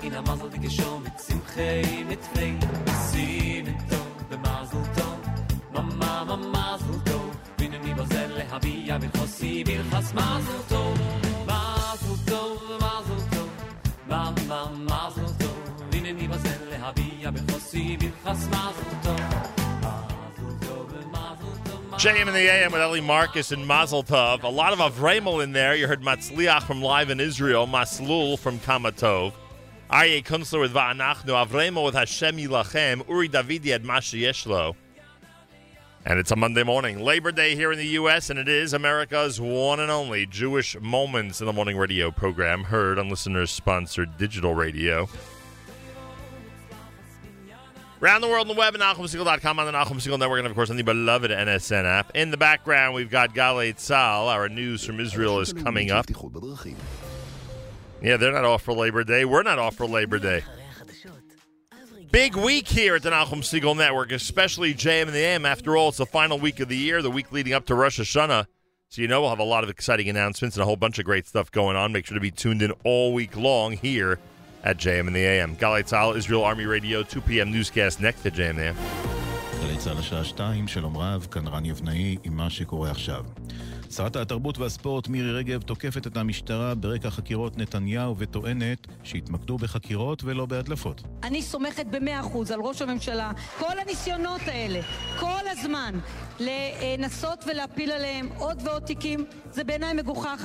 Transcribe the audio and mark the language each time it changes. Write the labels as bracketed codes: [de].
[en] mazel dik shom mit simchei mit frey sin to be mazel to mama mama mazel to bin ni bazel le habia be khosi bil khas mazel to mazel to mazel to mama mazel to bin ni bazel le habia be khosi bil khas mazel to JM in the AM with Ellie Marcus and Mazel Tov. A lot of Avramel in there. You heard Matzliach from Live in Israel, Maslul from Kamatov. Aryeh Kunstler with Va'anachnu, Avremo with Hashem Yilachem, Uri Davidi at Mashi Yeshlo. And it's a Monday morning. Labor Day here in the U.S., and it is America's one and only Jewish Moments in the Morning radio program, heard on listeners-sponsored digital radio. Around the world on the web at NahumSiegel.com, on the Nahum Siegel Network, and of course on the beloved NSN app. In the background, we've got Galei Tzal. Our news from Israel is coming up. Yeah, they're not off for Labor Day. We're not off for Labor Day. Big week here at the Nahum Siegel Network, especially JM and the AM. After all, it's the final week of the year, the week leading up to Rosh Hashanah. So you know we'll have a lot of exciting announcements and a whole bunch of great stuff going on. Make sure to be tuned in all week long here at JM in the AM. Galei Tzal, Israel Army Radio, 2 p.m. newscast next to JM there. [he] Galei Tzal, השעה 2, שלום רב, כאן רן יבנאי עם מה שקורה עכשיו. שרת התרבות והספורט מירי רגב תוקפת את המשטרה ברקע חקירות נתניהו וטוענת שהתמקדו בחקירות ולא בהדלפות. אני סומכת ב-100% על ראש הממשלה. כל הניסיונות האלה, כל הזמן, לנסות ולהפיל עליהם עוד ועוד תיקים, זה בעיניי מגוחך.